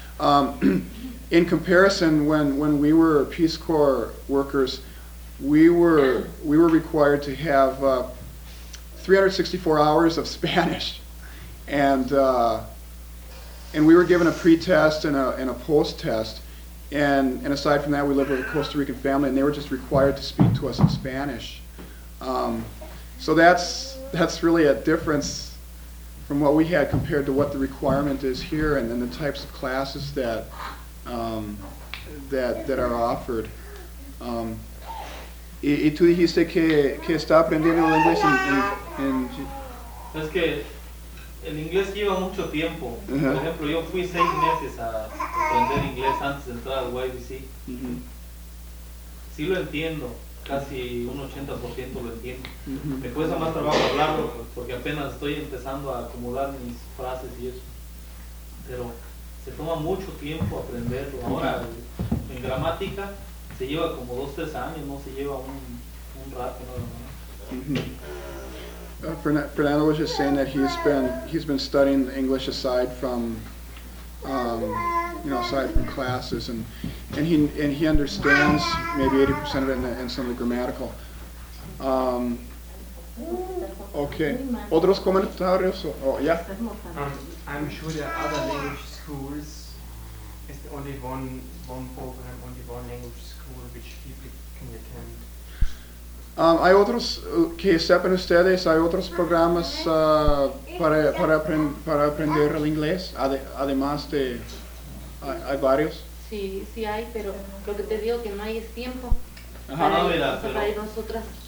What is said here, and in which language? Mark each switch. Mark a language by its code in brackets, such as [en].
[en] In comparison, when we were Peace Corps workers, we were required to have 364 hours of Spanish, and we were given a pre-test and a post-test, and aside from that, we lived with a Costa Rican family, and they were just required to speak to us in Spanish. So that's really a difference from what we had compared to what the requirement is here, and then the types of classes that are offered. [es] Y tú dijiste que está aprendiendo el inglés en es que el inglés lleva mucho tiempo. Uh-huh. Por ejemplo, yo fui 6 meses a aprender inglés antes de entrar al YBC. Uh-huh. Sí lo entiendo, casi un 80% lo entiendo. Uh-huh. Me cuesta más trabajo hablarlo porque apenas estoy empezando a acomodar mis frases y eso. Pero se toma mucho tiempo aprenderlo. Ahora, uh-huh. En gramática se lleva como 2-3 años, no se lleva un rato nada más. Uh-huh. [en] Fernando was just saying that he's been studying English aside from aside from classes, and he understands maybe 80% of it in some of the grammatical. Okay. [es] Otros comentarios? [en] Oh, yeah. I'm sure there are other language schools. It's the only one program, only one language school which people can attend. [es] Hay otros que sepan ustedes, hay otros programas para aprender el inglés, además de, hay varios. Sí hay, pero lo que te digo que no hay es tiempo. Ajá, para, no, mira, para pero nosotras.